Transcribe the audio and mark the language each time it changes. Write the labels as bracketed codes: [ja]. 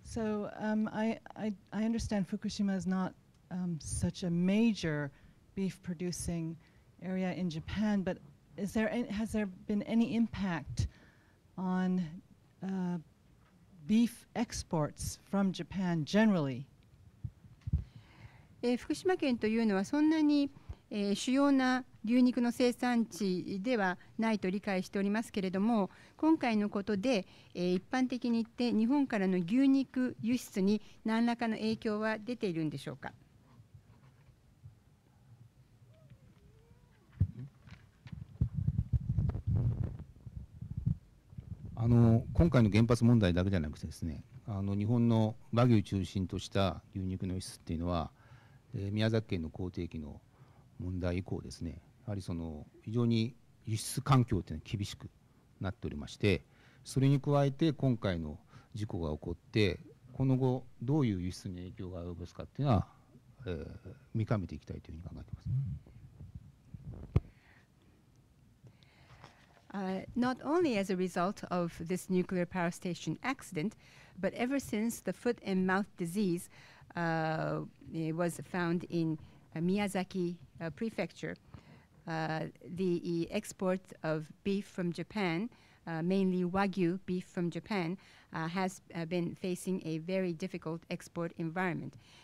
[en] So I understand Fukushima is not such a major beef producing area in Japan, but is there any, has there been any impact on beef exports from Japan generally? [ja] 福島県というのはそんなに主要な牛肉の生産地ではないと理解しておりますけれども、今回のことで一般的に言って日本からの牛肉輸出に何らかの影響は出ているんでしょうか。今回の原発問題だけじゃなくてですね、日本の和牛中心とした牛肉の輸出っていうのは、宮崎県の口蹄疫の問題以降ですね、やはりその非常に輸出環境というのは厳しくなっておりまして、それに加えて今回の事故が起こって、この後、どういう輸出に影響が及ぼすかというのは、見かねていきたいというふうに考えています。 [en] Not only as a result of this nuclear power station accident, but ever since the foot and mouth disease was found in Miyazaki Prefecture. The export of beef from Japan, mainly Wagyu beef from Japan, has been facing a very difficult export environment.